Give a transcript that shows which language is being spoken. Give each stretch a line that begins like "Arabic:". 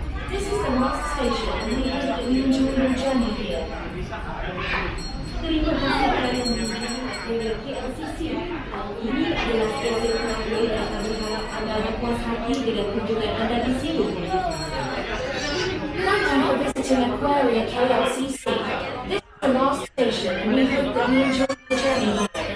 English: This is the last station and we hope that you enjoy your journey here. Please go ahead and join us at Aquaria KLCC.
Malay: Ini adalah stasiun terakhir dan kami harap anda berpuas hati dengan kunjungan anda di sini.
English: Thank you for visiting Aquaria KLCC. This is the last station and we hope that you enjoy your journey here.